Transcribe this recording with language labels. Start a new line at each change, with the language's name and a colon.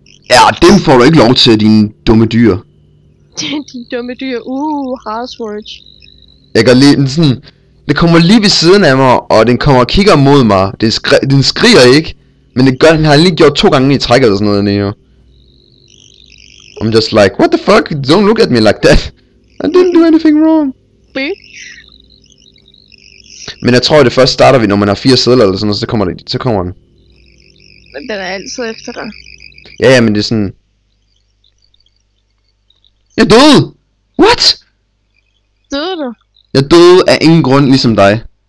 Danish: Ja, dem får du ikke lov til, dine dumme dyr. Dine dumme dyr, harshwords. Jeg går lige sådan, det kommer lige ved siden af mig, og den kommer og kigger mod mig. Den skriger ikke, men det gør, den har lige gjort to gange i træk eller sådan noget dernede.
English: I'm just like, what the fuck, don't look at me like that. I didn't do anything wrong. Bitch.
Danish: Men jeg tror, det først starter vi, når man har 4 sædler eller sådan noget, så kommer den. Men den er altid efter dig. Ja, men det er sådan... Jeg døde! What? Døde du? Jeg døde af ingen grund, ligesom dig.